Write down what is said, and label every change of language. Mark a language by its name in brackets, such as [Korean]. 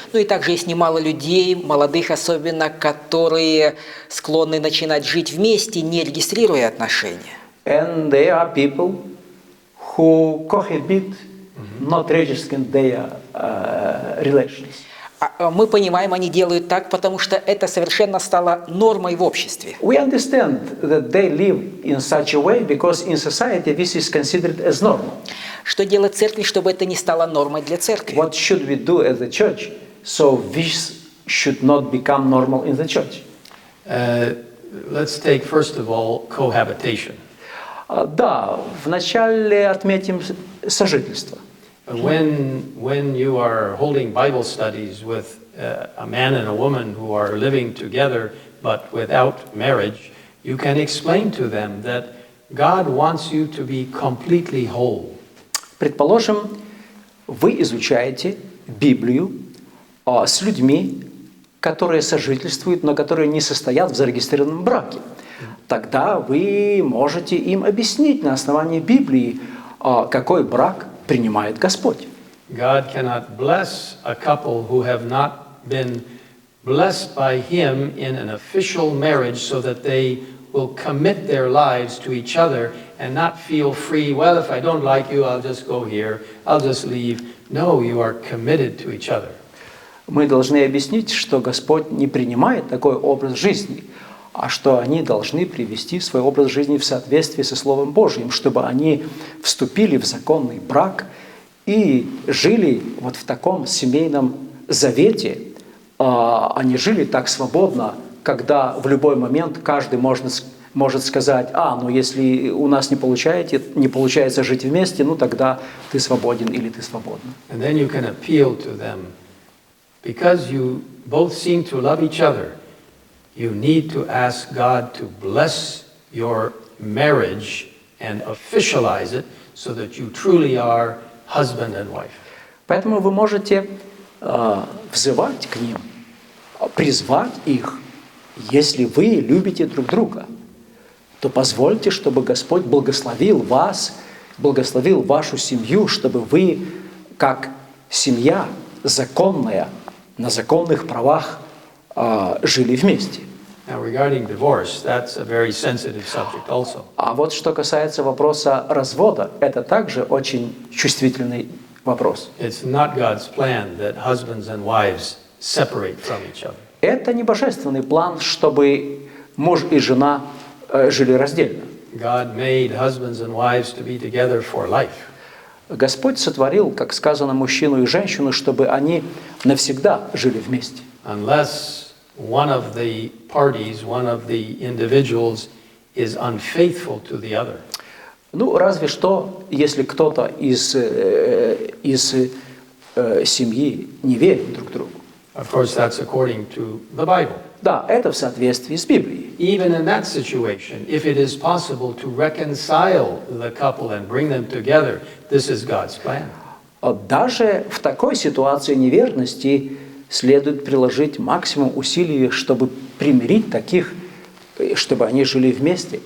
[Russian] Ну и также есть немало людей, молодых особенно, которые склонны начинать жить вместе, не регистрируя отношения. [English] And there are people who cohabit, not registering their relations. [Russian] Мы понимаем, они делают так, потому что это совершенно стало нормой в обществе. [English] We understand that they live in such a way because in society this is considered as normal. [Russian] Что делать церкви, чтобы это не стало нормой для церкви? [English] What should we do as a church so this should not become normal in the church? Let's take first of all cohabitation. [Russian] Да, вначале отметим сожительство. [English] When you are holding Bible studies with a man and a woman who are living together but without marriage, you can explain to them that God wants you to be completely whole. [Russian] Предположим, вы изучаете Библию с людьми, которые сожительствуют, но которые не состоят в зарегистрированном браке. Тогда вы можете им объяснить на основании Библии, какой брак принимает Господь. [English] God cannot bless a couple who have not been blessed by him in an official marriage so that they will commit their lives to each other and not feel free, well, if I don't like you, I'll just go here, I'll just leave. No, you are committed to each other. [Russian] Мы должны объяснить, что Господь не принимает такой образ жизни, а что они должны привести свой образ жизни в соответствии со Словом Божьим, чтобы они вступили в законный брак и жили вот в таком семейном завете, а не жили так свободно, когда в любой момент каждый может сказать, ну если у нас не получается жить вместе, ну тогда ты свободен или ты свободна. [English] And then you can appeal to them, because you both seem to love each other, you need to ask God to bless your marriage and officialize it so that you truly are husband and wife. [Russian] Поэтому вы можете взывать к ним, призвать их, если вы любите друг друга, то позвольте, чтобы Господь благословил вас благословил вашу семью, чтобы вы, как семья законная, на законных правах жили вместе. [English] Now, regarding divorce, that's a very sensitive subject also. [Russian] А вот что касается вопроса развода, это также очень чувствительный вопрос. [English] It's not God's plan that husbands and wives separate from each other. [Russian] Это не божественный план, чтобы муж и жена жили раздельно. [English] God made husbands and wives to be together for life. [Russian] Господь сотворил, как сказано, мужчину и женщину, чтобы они навсегда жили вместе. [English] Unless one of the parties, one of the individuals is unfaithful to the other. [Russian] Ну, разве что, если кто-то из семьи не верит друг другу. [English] Of course, that's according to the Bible. [Russian] Да, это в соответствии с Библией. [English] Even in that situation, if it is possible to reconcile the couple and bring them together, this is God's plan. [Russian] Даже в такой ситуации неверности следует приложить максимум усилий, чтобы примирить таких, чтобы они жили вместе.